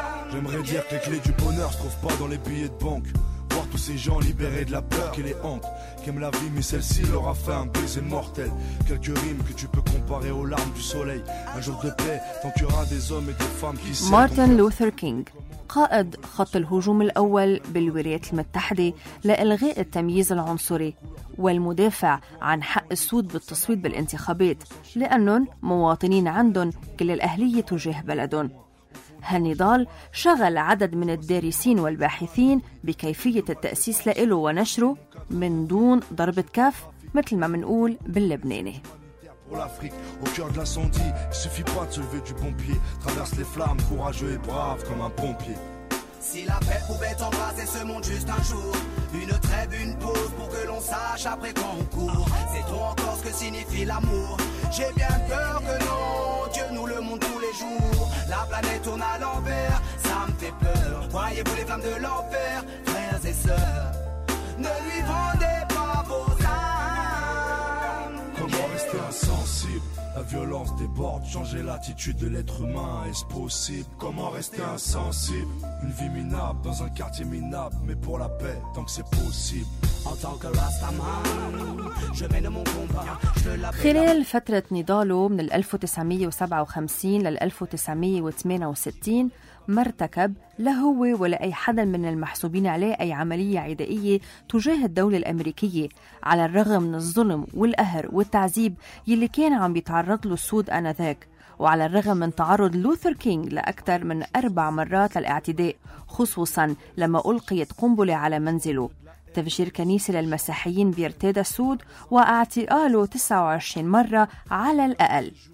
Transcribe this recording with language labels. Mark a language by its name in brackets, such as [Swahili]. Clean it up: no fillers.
[French] J'aimerais dire que les clés du bonheur se trouvent pas dans les billets de banque. Voir tous ces gens libérés de la peur qui les hante, qui aiment la vie mais celle-ci leur a fait un baiser mortel. Quelques rimes que tu peux comparer aux larmes du soleil. Un jour de paix, tant qu'il y aura des hommes et des femmes qui. [Arabic] Martin Luther King, قائد خط الهجوم الأول بالولايات المتحدة لإلغاء التمييز العنصري والمدافع عن حق السود بالتصويت بالانتخابات لأنهم مواطنين عندهم كل الأهلية تجاه بلدهم. هالنضال شغل عدد من الدارسين والباحثين بكيفية التأسيس لإله ونشره من دون ضربة كف مثل ما منقول باللبناني. [French] Pour l'Afrique, au cœur de l'incendie, il suffit pas de se lever du bon pied. Traverse les flammes, courageux et brave comme un pompier. Si la paix pouvait embrasser ce monde juste un jour, une trêve, une pause pour que l'on sache après qu'on court. Sait-on encore ce que signifie l'amour? J'ai bien peur que non, Dieu nous le montre tous les jours. La planète tourne à l'envers, ça me fait peur. Voyez-vous les flammes de l'enfer, frères et sœurs, ne lui vendez pas vos âmes. Insensible, la violence déborde, changer l'attitude de l'être humain, est-ce possible? Comment rester insensible? Une vie minable dans un quartier minable, mais pour la paix, tant que c'est possible. En tant que Rastaman, je mène mon combat. [Arabic] خلال فترة نضاله من 1957 لل 1968 ما ارتكب لا هو ولا أي حدا من المحسوبين عليه أي عملية عدائية تجاه الدولة الأمريكية، على الرغم من الظلم والقهر والتعذيب يلي كان عم بيتعرض له السود آنذاك، وعلى الرغم من تعرض لوثر كينغ لأكثر من 4 مرات للاعتداء، خصوصا لما ألقيت قنبلة على منزله، تفجير كنيسة للمسيحيين بيرتادا السود واعتقاله 29 مرة على الأقل.